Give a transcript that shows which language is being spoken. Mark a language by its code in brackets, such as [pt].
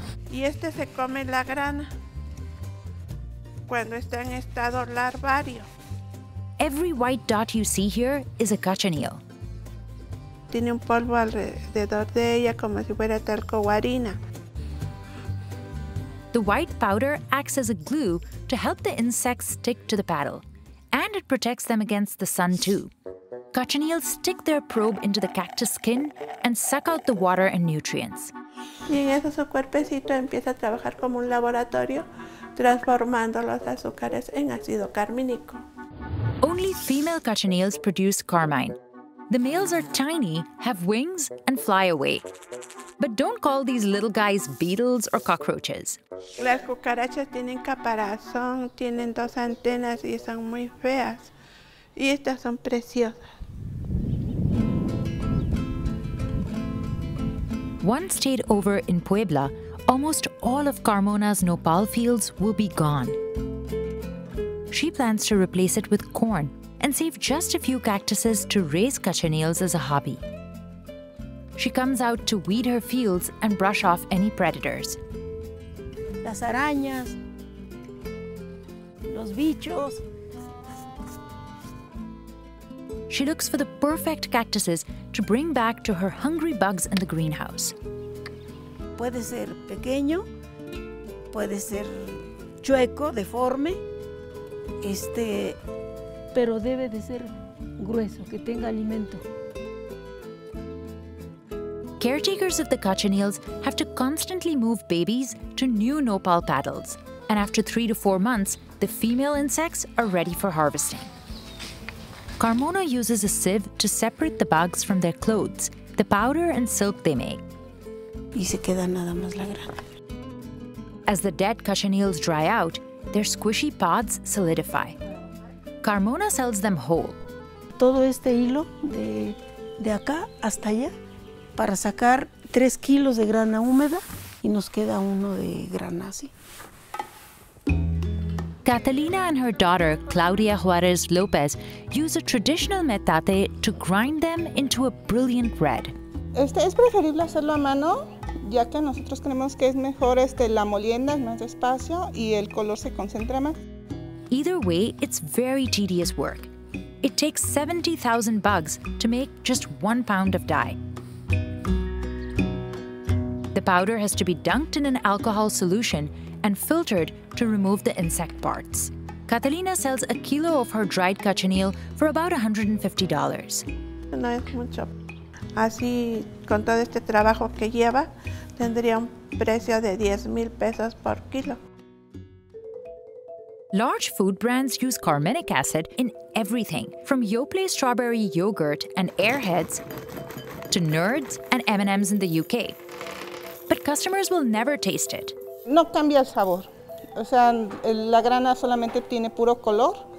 [es] Y este se come la grana cuando está en estado larvario. [en] Every white dot you see here is a cochineal. [es] Tiene un polvo alrededor de ella como si fuera talco guarina. [en] The white powder acts as a glue to help the insects stick to the paddle, and it protects them against the sun too. Cochineals stick their probe into the cactus skin and suck out the water and nutrients. [es] Y en eso su cuerpecito empieza a trabajar como un laboratorio, transformando los azúcares en ácido carmínico. [en] Only female cochineals produce carmine. The males are tiny, have wings, and fly away. But don't call these little guys beetles or cockroaches. [es] Las cucarachas tienen caparazón, tienen dos antenas y son muy feas. Y estas son preciosas. [en] Once stayed over in Puebla, almost all of Carmona's nopal fields will be gone. She plans to replace it with corn and save just a few cactuses to raise cochineals as a hobby. She comes out to weed her fields and brush off any predators. [es] Las arañas, los bichos. [en] She looks for the perfect cactuses to bring back to her hungry bugs in the greenhouse. [es] Puede ser pequeño, puede ser chueco, deforme, pero debe de ser grueso, que tenga alimento. [en] caretakers of the cochineals have to constantly move babies to new nopal paddles. And after 3 to 4 months, the female insects are ready for harvesting. Carmona uses a sieve to separate the bugs from their clothes, the powder and silk they make. [es] Y se queda nada más la grana. [en] As the dead cochineals dry out, their squishy pods solidify. Carmona sells them whole. [es] Todo este hilo de acá hasta allá para sacar 3 kilos de grana húmeda y nos queda uno de grana así. [en] Catalina and her daughter, Claudia Juarez Lopez, use a traditional metate to grind them into a brilliant red. [es] Este es preferible hacerlo a mano, ya que nosotros creemos que es mejor la molienda, es más despacio y el color se concentra más. [en] Either way, it's very tedious work. It takes 70,000 bugs to make just 1 pound of dye. The powder has to be dunked in an alcohol solution and filtered to remove the insect parts. Catalina sells a kilo of her dried cochineal for about $150. [es] No es mucho. Así, con todo este trabajo que lleva, tendría un precio de 10,000 pesos por kilo. [en] Large food brands use carminic acid in everything, from Yoplait strawberry yogurt and Airheads to Nerds and M&M's in the UK. But customers will never taste it. [es] No cambia el sabor. O sea, la grana solamente tiene puro color.